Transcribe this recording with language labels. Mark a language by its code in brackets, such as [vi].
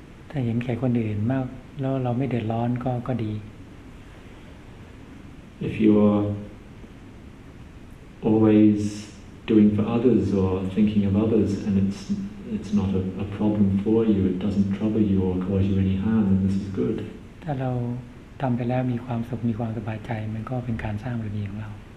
[th] ถ้าเห็นแก่คนอื่นมากแล้วเราไม่เดือดร้อนก็ดี [en] If you are always doing for others or thinking of others and it's not a problem for you it doesn't trouble you or cause you any harm and this is good [th] ถ้าเราทำไปแล้วมีความสุขมีความสบายใจมันก็เป็นการสร้างบารมีของเรา